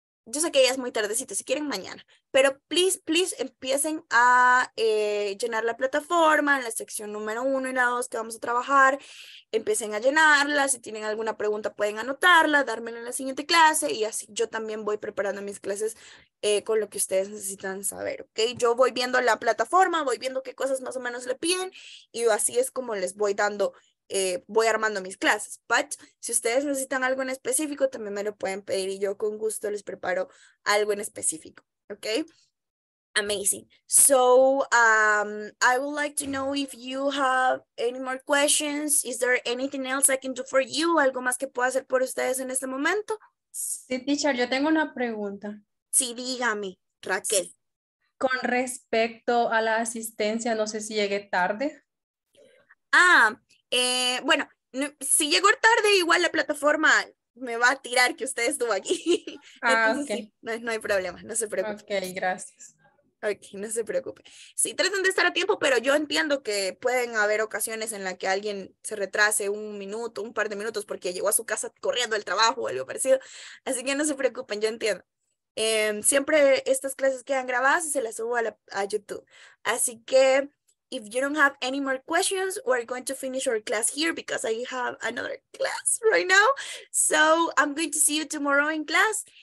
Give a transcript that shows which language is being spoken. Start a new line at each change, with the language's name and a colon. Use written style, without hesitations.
Spanish: yo sé que ya es muy tardecito, si quieren mañana, pero
English: please, please
Spanish: empiecen a llenar la plataforma en la sección número 1 y la 2 que vamos a trabajar, empiecen a llenarla, si tienen alguna pregunta pueden anotarla, dármela en la siguiente clase y así yo también voy preparando mis clases con lo que ustedes necesitan saber, ¿ok? Yo voy viendo la plataforma, voy viendo qué cosas más o menos le piden y así es como les voy dando, voy armando mis clases,
English: but
Spanish: si ustedes necesitan algo en específico también me lo pueden pedir y yo con gusto les preparo algo en específico, ok.
English: Amazing. So I would like to know if you have any more questions. Is there anything else I can do for you?
Spanish: ¿Algo más que pueda hacer por ustedes en este momento? Sí, teacher, yo tengo una pregunta. Sí, dígame, Raquel. Sí. Con respecto a la asistencia, no sé si llegué tarde. Ah, bueno, si llego tarde, igual la plataforma me va a tirar que usted estuvo aquí. Ah, entonces, ok. Sí, no hay problema, no se preocupe. Ok, gracias. Ok, no se preocupe. Sí, traten de estar a tiempo, pero yo entiendo que pueden haber ocasiones en las que alguien se retrase un minuto, un par de minutos, porque llegó a su casa corriendo del trabajo o algo parecido. Así que no se preocupen, yo entiendo. Siempre estas clases quedan grabadas y se las subo a YouTube. Así que,
English: if you don't have any more questions, we're going to finish our class here because I have another class right now. So, I'm going to see you tomorrow in class.